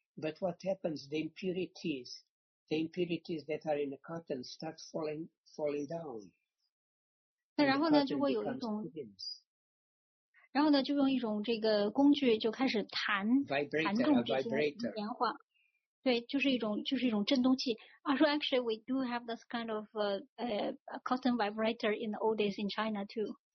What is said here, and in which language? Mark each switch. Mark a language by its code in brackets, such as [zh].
[en] But what happens, the impurities that are in the cotton start falling down. [zh] 那然后呢，就会有一种，然后呢，就用一种这个工具就开始弹动这些棉花。对，就是一种震动器。 [en] So actually, we do have this kind of cotton vibrator in the old days in China too.